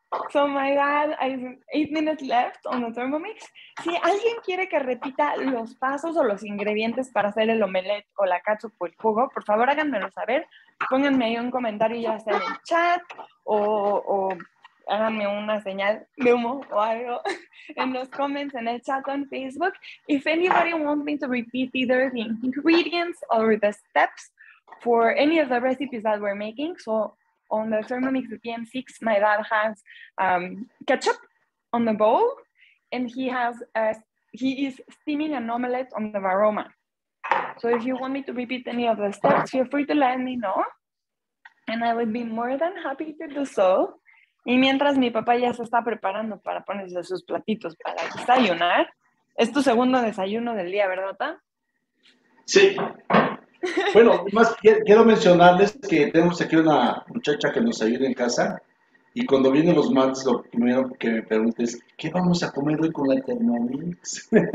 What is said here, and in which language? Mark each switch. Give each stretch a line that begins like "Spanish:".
English: So my dad, I have 8 minutes left on the Thermomix.
Spanish: Si alguien quiere que repita los pasos o los ingredientes para hacer el omelette o la catsup o el jugo, por favor háganmelo saber. Pónganme ahí un comentario, ya sea en el chat o háganme una señal de humo o algo en los comments, en el chat on Facebook.
English: If anybody wants me to repeat either the ingredients or the steps for any of the recipes that we're making, so on the Thermomix PM6, my dad has ketchup on the bowl, and he is steaming an omelette on the Varoma. So if you want me to repeat any of the steps, feel free to let me know, and I would be more than happy to do so.
Spanish: Y mientras mi papá ya se está preparando para ponerse sus platitos para desayunar, es tu segundo desayuno del día, ¿verdad, Tata? Sí. Bueno, más quiero mencionarles que tenemos aquí una muchacha que nos ayuda en casa, y cuando vienen los martes, lo primero que me pregunta es, ¿qué vamos a comer hoy con la Thermomix?